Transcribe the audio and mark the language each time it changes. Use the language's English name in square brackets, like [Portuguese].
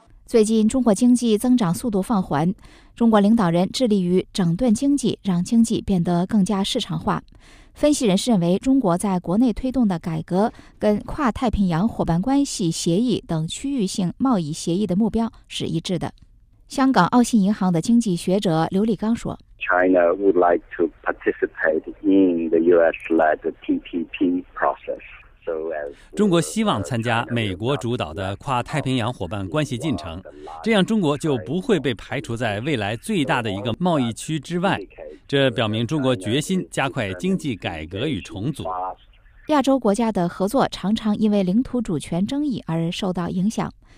[Chinese] 最近中国经济增长速度放缓，中国领导人致力于整顿经济，让经济变得更加市场化。分析人士认为，中国在国内推动的改革跟跨太平洋伙伴关系协议等区域性贸易协议的目标是一致的。香港澳信银行的经济学者刘立刚说， [English] China would like to participate in the US-led TPP process。 [Chinese] 中国希望参加美国主导的跨太平洋伙伴关系进程，这样中国就不会被排除在未来最大的一个贸易区之外。这表明中国决心加快经济改革与重组。亚洲国家的合作常常因为领土主权争议而受到影响。